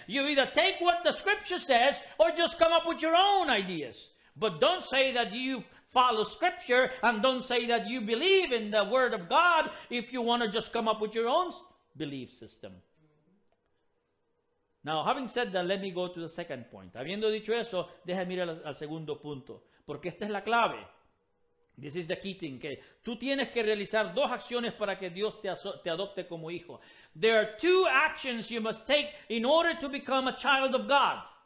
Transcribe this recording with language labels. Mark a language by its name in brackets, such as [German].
[English] You either take what the scripture says or just come up with your own ideas. But don't say that you follow scripture, and don't say that you believe in the word of God if you want to just come up with your own belief system. Now, having said that, let me go to the second point. [Spanish] Habiendo dicho eso, déjame ir al segundo punto. Porque esta es la clave. [English] This is the key thing. [Spanish] Que tú tienes que realizar dos acciones para que Dios te adopte como hijo. [English] There are two actions you must take in order to become a child of God.